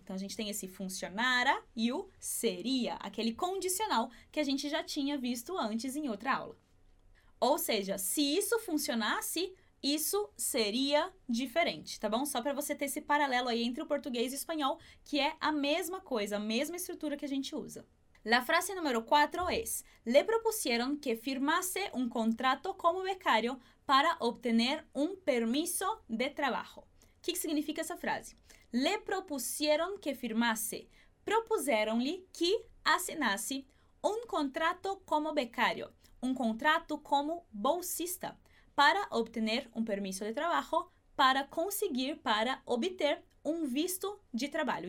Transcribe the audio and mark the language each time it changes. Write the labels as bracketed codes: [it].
[pt] Então, a gente tem esse funcionara e o seria, aquele condicional que a gente já tinha visto antes em outra aula. Ou seja, se isso funcionasse, isso seria diferente, tá bom? Só para você ter esse paralelo aí entre o português e o espanhol, que é a mesma coisa, a mesma estrutura que a gente usa. [es] La frase número 4 es: le propusieron que firmase un contrato como becario para obtener un permiso de trabajo. [pt] O que significa essa frase? [es] Le propusieron que firmase. [pt] Propuseram-lhe que assinasse [es] un contrato como becario, [pt] un contrato como bolsista, [es] para obtener un permiso de trabajo, [pt] para conseguir, para obter un visto de trabalho.